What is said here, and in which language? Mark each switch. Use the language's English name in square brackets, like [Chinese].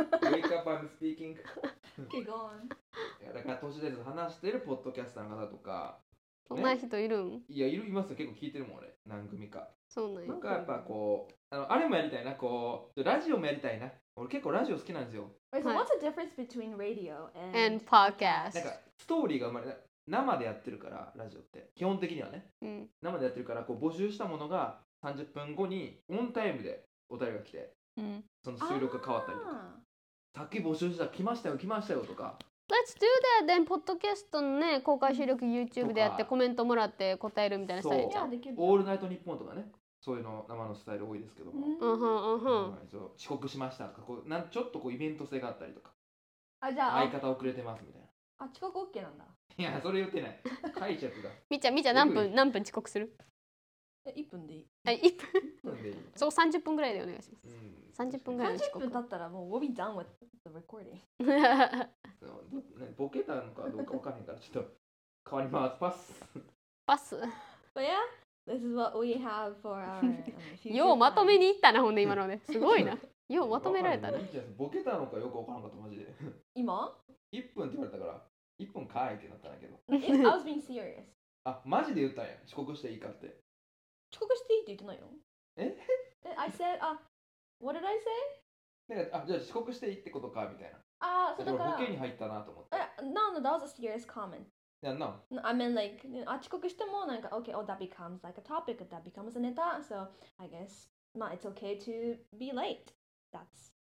[English] Wake up I'm speaking Okay go on [Japanese] だから都市伝説話してるポッドキャスターの方とかそんな人いるん、ね、いやいるいますよ結構聞いてるもん俺何組かそうなんなんかやっぱこうあれもやりたいなこうラジオもやりたいな俺結構ラジオ好きなんですよ。 [English] Wait, so what's the difference between radio and... and podcast? [Japanese] なんかストーリーが生まれ、生でやってるからラジオって基本的にはね、うん、生でやってるからこう募集したものが30分後にオンタイムでお便りが来て、うん、その収録が変わったりとか、さっき募集した来ましたよ来ましたよとか。 [English] Let's do that. [Japanese] Then podcast のね公開収録 YouTube でやってコメントもらって答えるみたいなスタイルじゃん。そう。オールナイトニッポンとかね。そういうの生のスタイル多いですけども、遅刻しましたとかこうなんちょっとこうイベント性があったりとか、あじゃあ相方遅れてますみたいな、あ遅刻 OK なんだ、いやそれ言ってない、解釈が、みちゃん何分遅刻する？え一分でいい、あ一分、でいい、そう30分ぐらいでお願いします、三、う、十、ん、分ぐらいの遅刻、 30分経ったらもう [English] we'll be done with the recording、 [Japanese] ね、ボケたのかどうか分かんないからちょっと変わります、パス、パス、いや。 [English] This is what we have for our future. [Japanese] ようまとめに行ったな、ほんで今のね。すごいな。ようまとめられたね。ボケたのかよくわからなかった、マジで。今 ?1 分って言われたから、1分かいってなったんだけど。 [English] I was being serious. [Japanese] あ、マジで言ったんや。遅刻していいかって。遅刻していいって言ってないよ。え [English] I said, what did I say? [Japanese] なんか、あ、じゃあ遅刻していいってことか、みたいな。あ、そうだから。ボケに入ったなと思って。 [English] No, that was a serious comment. Yeah, no. No, I mean like, you know, [Japanese] 遅刻してもなんか [English] okay, oh that becomes like a topic, that becomes a ネタ, so I guess, まあ it's okay to be late. That's